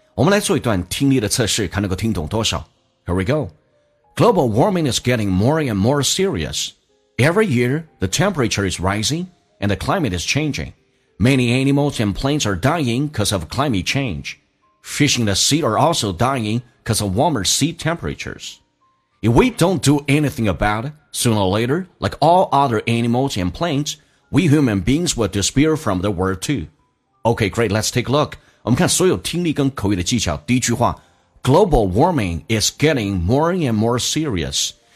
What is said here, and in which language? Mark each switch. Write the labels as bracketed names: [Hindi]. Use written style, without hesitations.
[Chinese] 我们来做一段听力的测试，看能够听懂多少。 [English] Here we go. Global warming is getting more and more serious. Every year, the temperature is rising and the climate is changing. Many animals and plants are dying because of climate change. Fish in the sea are also dying because of warmer sea temperatures. If we don't do anything about it, sooner or later, like all other animals and plants,We human beings will disappear from the world too. Okay, great. Let's take a look. [Chinese] 我们看所有听力跟口语的技巧。第一句话 [English] ,Global warming is getting more and more serious.